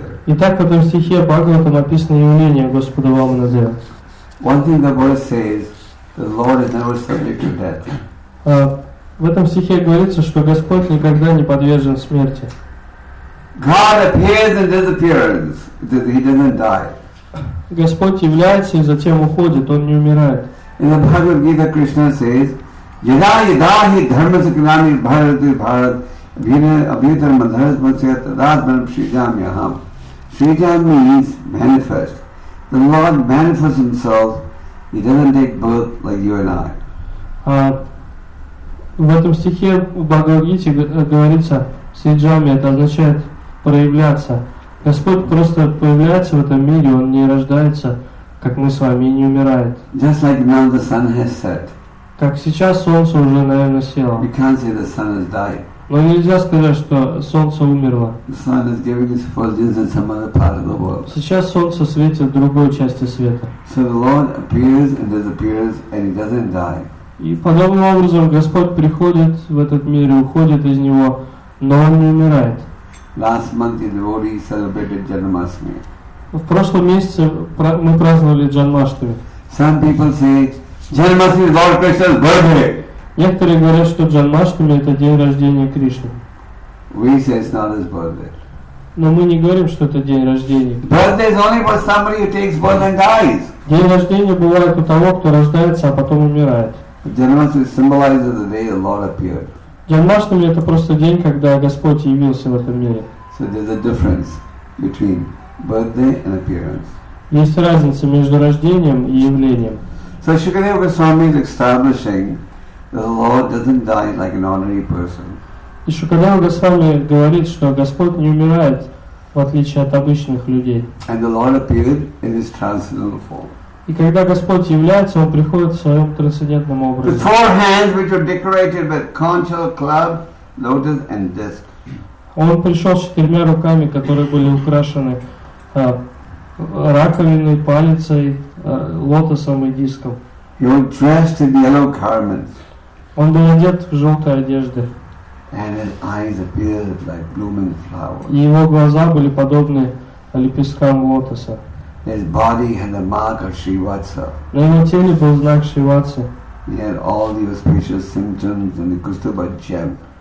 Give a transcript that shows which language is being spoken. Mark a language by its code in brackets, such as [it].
[ru] Итак, в этом стихе Бхагаватам описано явление Господа Вамана-дева. [en] One thing the verse says, the Lord is never subject to death. [ru] В этом стихе говорится, что Господь никогда не подвержен смерти. [en] God appears and disappears, that He doesn't die. [ru] Господь является и затем уходит, Он не умирает. [en] In the Bhagavad Gita, Krishna says, [sa] Yada yada hi dharma sakrami bharat vi bharat vina abhyatar madharas vatsya tadad varam shrijam yaham. [en] Shrijam means manifest. The Lord manifests Himself, He doesn't take birth like you and I. [ru] В этом стихе в Бхагавад-гите говорится «Сриджами» — это означает «проявляться». Господь просто появляется в этом мире, Он не рождается, как мы с вами, и не умирает. [en] Just like now the sun has set. [ru] Так сейчас солнце уже, наверное, село. [en] We can't say the sun has died. [ru] Но нельзя сказать, что солнце умерло. [en] The sun is giving its fullness in some other part of the world. [ru] Сейчас солнце светит в другой части света. [en] So the Lord appears and disappears, and He doesn't die. [ru] И подобным образом Господь приходит в этот мир и уходит из него, но Он не умирает. [en] Last month in Rory celebrated Janmashtami. [ru] В прошлом месяце мы праздновали Джанмаштами. [en] Some people say Janmashtami is Lord Krishna's birthday. [ru] Некоторые говорят, что Джанмаштами — это день рождения Кришны. [en] We say it's not His birthday. [ru] Но мы не говорим, что это день рождения. [en] Birthday is only for somebody who takes birth and dies. [ru] День рождения бывает у того, кто рождается, а потом умирает. [en] Janmashtami symbolizes the day the Lord appeared. [ru] Janmashtami — это просто день, когда Господь явился в этом мире. [en] So there's a difference between birthday and appearance. [ru] Есть разница между рождением и явлением. [en] So Shukadeva Goswami is establishing that the Lord doesn't die like an ordinary person. [ru] И Шукадева Госвами говорит, что Господь не умирает в отличие от обычных людей. [en] And the Lord appeared in His transcendental form. [ru] И когда Господь является, Он приходит в своем трансцендентном образе. [en] The four hands which were decorated with conch shell, club, lotus and disc. [ru] Он пришел с четырьмя руками, которые были украшены раковиной, палицей, лотосом и диском. [en] He was dressed in yellow garments. [ru] Он был одет в желтой одежде. [en] And his eyes appeared like blooming flowers. [ru] И его глаза были подобны лепесткам лотоса. [en] His body had the mark of Shrivatsa. [ru] На его теле был знак Шриватса. [en] He had all the auspicious symptoms and the Kustubha gem.